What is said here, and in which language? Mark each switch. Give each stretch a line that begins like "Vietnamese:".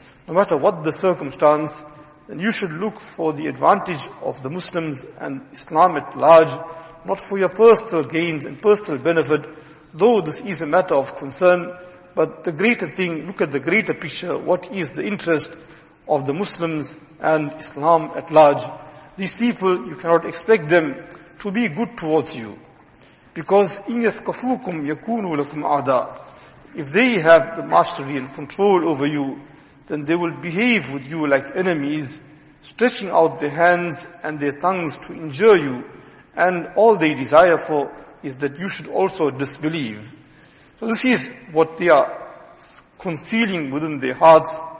English: No matter what the circumstance, then you should look for the advantage of the Muslims and Islam at large, not for your personal gains and personal benefit. Though this is a matter of concern, but the greater thing, look at the greater picture, what is the interest of the Muslims and Islam at large? These people, you cannot expect them to be good towards you. Because,
Arabic: إِنْ يَثْكَفُوكُمْ يَكُونُوا لَكُمْ عَدَىٰ.
English: If they have the mastery and control over you, then they will behave with you like enemies, stretching out their hands and their tongues to injure you, and all they desire for is that you should also disbelieve. So this is what they are concealing within their hearts.